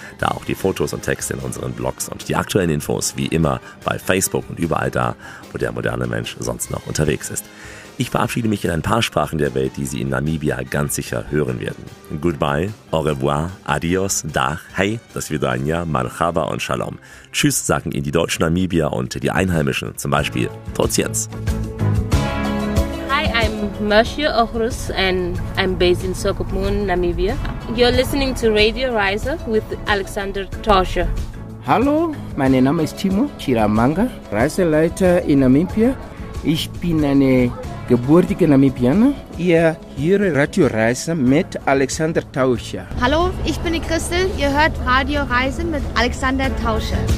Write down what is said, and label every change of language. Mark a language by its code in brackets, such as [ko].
[de] Da auch die Fotos und Texte in unseren Blogs und die aktuellen Infos, wie immer, bei Facebook und überall da, wo der moderne Mensch sonst noch unterwegs ist. Ich verabschiede mich in ein paar Sprachen der Welt, die Sie in Namibia ganz sicher hören werden. [en] Goodbye, [fr] au revoir, [es] adios, [de] da, hey, [ru] das Vidanya, [de] Malchaba und [he] Shalom. [de] Tschüss sagen Ihnen die deutschen Namibia und die Einheimischen, zum Beispiel [af] Tot Jens. [en] Hi, I'm Mashu Ochrus and I'm based in Sokopmun, Namibia. You're listening to Radio Reise with Alexander Tosche. [de] Hallo, mein Name ist Timo Chiramanga, Reiseleiter in Namibia. Ich bin eine gebürtige Namibianer. Ihr hört Radio Reise mit Alexander Tauscher. Hallo, ich bin die Christel. Ihr hört Radio Reise mit Alexander Tauscher.